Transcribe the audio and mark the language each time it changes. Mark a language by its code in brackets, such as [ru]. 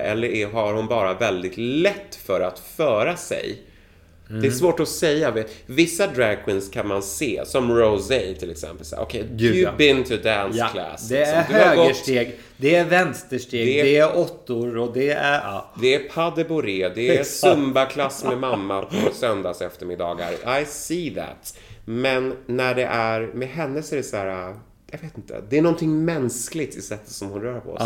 [sv] Eller har hon bara väldigt lätt för att föra sig? Det är svårt att säga. Vissa drag queens kan man se, som Rosé till exempel. [en] Okay, you've been to dance class. [sv] Det är högersteg, det är vänstersteg, det är åttor och det är... Ja. Det är pas de bourrée, det är zumba-klass med mamma på söndags eftermiddagar. [en] I see that. [sv] Men när det är med henne så är det så här... Jag vet inte, det är någonting mänskligt i sättet som hon rör på sig.